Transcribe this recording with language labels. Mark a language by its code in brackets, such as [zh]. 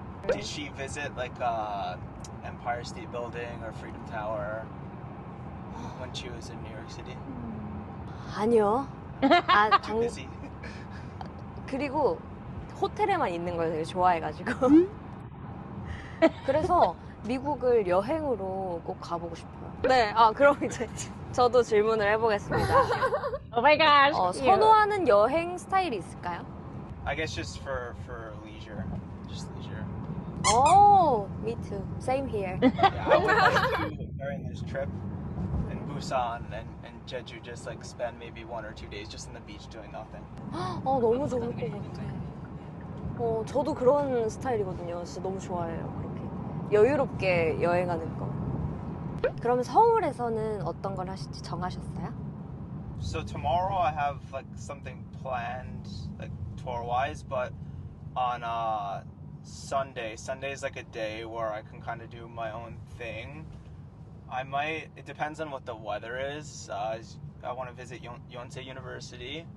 [en] Did she visit like Empire State Building or Freedom Tower when she was in New York City? [ko] 아니요. [en] 당... Too busy. [ko] 그리고 호텔에만 있는 걸 되게 좋아해가지고. 그래서 미국을 여행으로 꼭 가보고 싶어요. 네, 그럼 이제 저도 질문을 해보겠습니다. [en] Oh my gosh! [ko] 선호하는 여행 스타일이 있을까요? [en] I guess just for leisure. Just leisure. Oh, me too. Same here. Yeah, I would like to, during this trip in Busan and Jeju, just like spend maybe one or two days just on the beach doing nothing. [ko] 너무 좋을 것 같아요. 저도 그런 스타일이거든요. 진짜 너무 좋아해요. 여유롭게 여행하는 거. 그럼 서울에서는 어떤 걸 하실지 정하셨어요? [en] So tomorrow I have like something planned like tour wise, but on Sunday is like a day where I can kind of do my own thing. It depends on what the weather is. I want to visit Yonsei University.